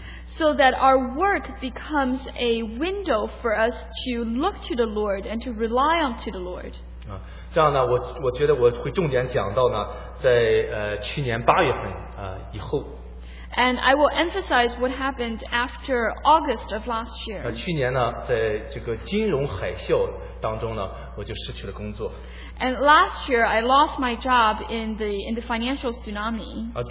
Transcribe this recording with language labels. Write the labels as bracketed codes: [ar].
[en] So that our work becomes a window for us to look to the Lord and to rely on to the Lord. [zh] 这样呢，我觉得我会重点讲到呢，在去年八月份以后。 [en] And I will emphasize what happened after August of last year. [zh] 去年呢，在这个金融海啸当中呢，我就失去了工作。 [en] And last year, I lost my job in the financial tsunami.